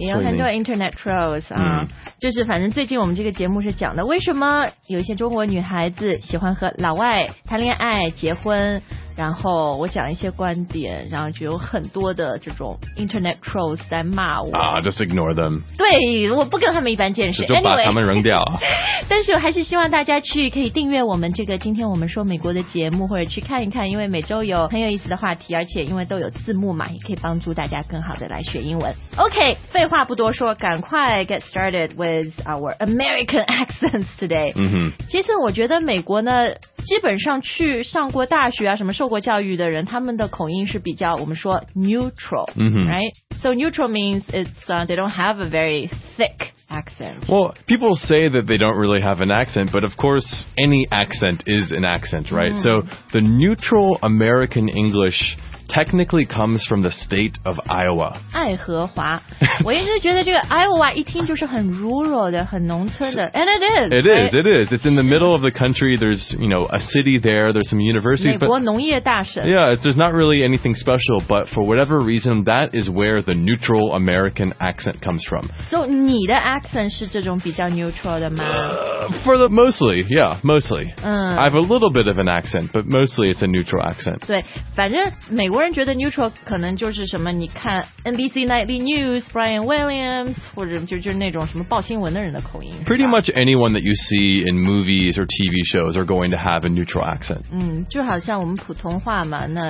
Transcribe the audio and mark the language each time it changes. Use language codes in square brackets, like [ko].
[zh] 也有很多 internet trolls 啊、就是反正最近我们这个节目是讲的为什么有一些中国女孩子喜欢和老外谈恋爱结婚，然后我讲一些观点，然后就有很多的这种 internet trolls 在骂我 [en] 啊、just ignore them, [zh] 对，我不跟他们一般见识，就把他们扔掉、 anyway, 但是我还是希望大家去可以订阅我们这个今天我们说美国的节目，或者去看一看，因为每周有很有意思的话题，而且因为都有字幕嘛，也可以帮助大家更好的来学英文。 [en] OK, 废话不多说，赶快 get started with our American accents today. 嗯哼， [zh] 其实我觉得美国呢，基本上去上过大学啊什么受过教育的人，他们的口音是比较我们说 neutral、 mm-hmm. [en] right? So neutral means it's、they don't have a very thick accent. Well, people say that they don't really have an accent, but of course any accent is an accent, right?、Mm. So the neutral American English technically comes from the state of Iowa. [zh] 爱荷华，我一直觉得这个 Iowa 一听就是很 rural 的，很农村的。 And it is. [en] It is. It is. It's in the middle of the country. There's, you know, a city there. There's some universities. [zh] 美国农业大省。 [en] Yeah, there's not really anything special, but for whatever reason, that is where the neutral American accent comes from. [zh] So, 你的 accent 是这种比较 neutral 的吗？ [en] Mostly. 嗯。 I have a little bit of an accent, but mostly it's a neutral accent. [zh] 对，反正美国人觉得 neutral 可能就是什么，你看 NBC Nightly News, Brian Williams, 或者就是那种什么报新闻的人的口音。 [en] Pretty much anyone that you see in movies or TV shows are going to have a neutral accent. [zh] 嗯，就好像我们普通话嘛，那